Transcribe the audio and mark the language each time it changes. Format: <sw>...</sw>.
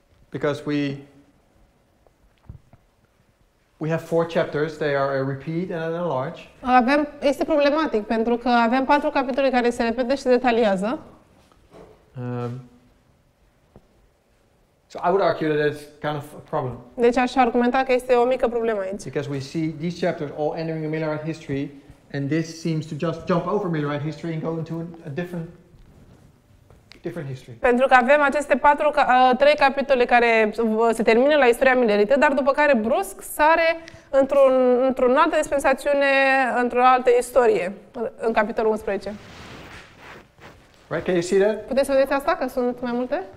<en>Because we have four chapters, they are a repeat and an enlarge.</en> <ro>Avem, este problematic pentru că avem patru capitole care se repetă și detaliază.</ro> <en>So I would argue that it's kind of a problem.</en> <ro>Deci aș argumenta că este o mică problemă aici.</ro> <en>Because we see these chapters all entering Millerite history and this seems to just jump over Millerite history and go into a different history.</en> <ro>Pentru că avem aceste trei capitole care se termină la istoria milerită, dar după care brusc sare într-o altă dispensațiune, într-o altă istorie, în capitolul 11.</ro> <en>Right, can you see that?</en> <ro>Puteți să vedeți asta, că sunt mai multe?</ro>